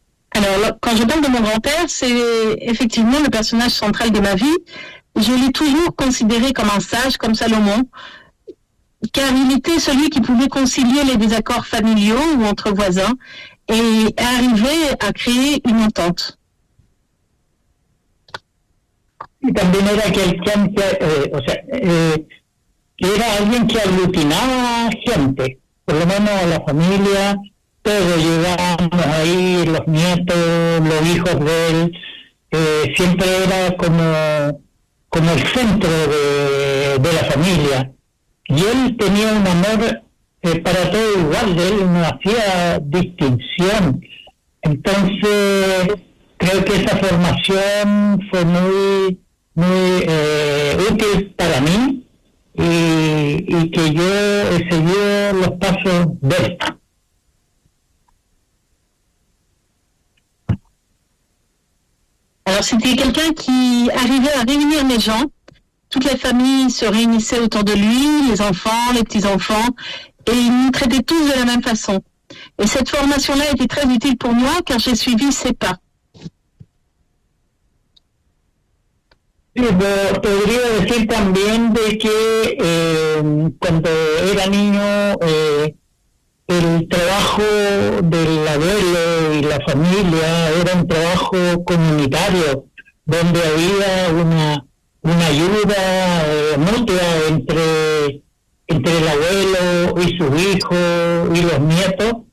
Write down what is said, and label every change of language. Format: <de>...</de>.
<fr>Alors, quand je parle de mon grand-père, c'est effectivement le personnage central de ma vie. Je l'ai toujours considéré comme un sage, comme Salomon, car il était celui qui pouvait concilier les désaccords familiaux ou entre voisins et arriver à créer une entente.</fr> <es>Y también era quelqu'un que era alguien que aglutinaba gente, por lo menos a la familia, todos llegábamos ahí, los nietos, los hijos de él, siempre era como el centro de la familia. Y él tenía un amor para todo igual, él no hacía distinción. Entonces, creo que esa formación fue muy muy útil para mí y que yo he seguido los pasos de él.</es> <fr>Alors, c'était quelqu'un qui arrivait à réunir les gens. Toute la famille se réunissait autour de lui, les enfants, les petits-enfants, et il nous traitait tous de la même façon. Et cette formation-là était très utile pour moi car j'ai suivi ses pas.</fr> <es>Sí, podría decir también de que cuando era niño el trabajo del abuelo y la familia era un trabajo comunitario, donde había una ayuda mutua entre el abuelo y sus hijos y los nietos.</es>